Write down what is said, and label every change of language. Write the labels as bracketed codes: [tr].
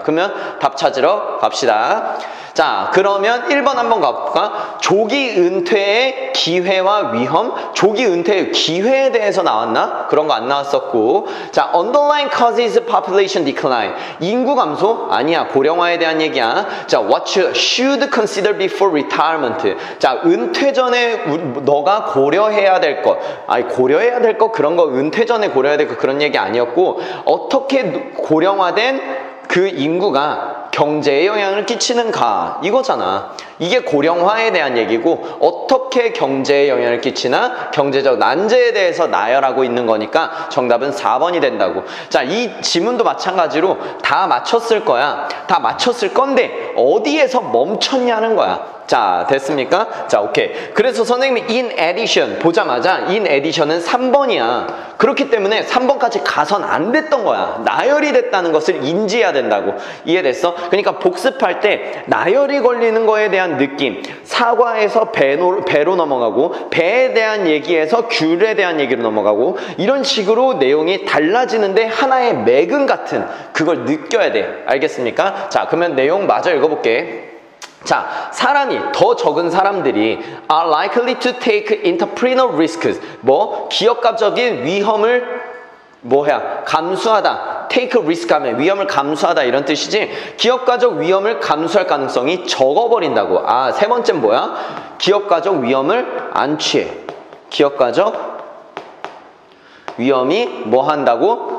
[ko] 그러면 답 찾으러 갑시다. 자, 그러면 1번 한번 가볼까? 조기 은퇴의 기회와 위험? 조기 은퇴의 기회에 대해서 나왔나? 그런 거 안 나왔었고. 자, [en] underlying causes population decline. [ko] 인구 감소? 아니야, 고령화에 대한 얘기야. [en] 자, what you should consider before retirement. [ko] 자, 은퇴 전에 너가 고려해야 될 것. 아니, 고려해야 될 것? 그런 거 은퇴 전에 고려해야 될 것? 그런 얘기 아니었고. 어떻게 고령화된 그 인구가 경제에 영향을 끼치는가 이거잖아. 이게 고령화에 대한 얘기고 어떻게 경제에 영향을 끼치나 경제적 난제에 대해서 나열하고 있는 거니까 정답은 4번이 된다고. 자, 이 지문도 마찬가지로 다 맞췄을 거야. 다 맞췄을 건데 어디에서 멈췄냐는 거야. 자, 됐습니까? 자, 오케이. 그래서 선생님이 in addition 보자마자 in addition은 3번이야. 그렇기 때문에 3번까지 가선 안 됐던 거야. 나열이 됐다는 것을 인지해야 된다고. 이해됐어? 그러니까 복습할 때 나열이 걸리는 거에 대한 느낌, 사과에서 배로 넘어가고 배에 대한 얘기에서 귤에 대한 얘기로 넘어가고 이런 식으로 내용이 달라지는데 하나의 맥은 같은 그걸 느껴야 돼. 알겠습니까? 자, 그러면 내용 마저 읽어볼게. [en] 자, [ko] 사람이 더 적은 사람들이 [en] are likely to take entrepreneurial risks. [ko] 뭐 기업가적인 위험을 뭐야 감수하다. take risk 하면 위험을 감수하다 이런 뜻이지. 기업가적 위험을 감수할 가능성이 적어버린다고. 아, 세 번째 뭐야? 기업가적 위험을 안 취해. 기업가적 위험이 뭐 한다고?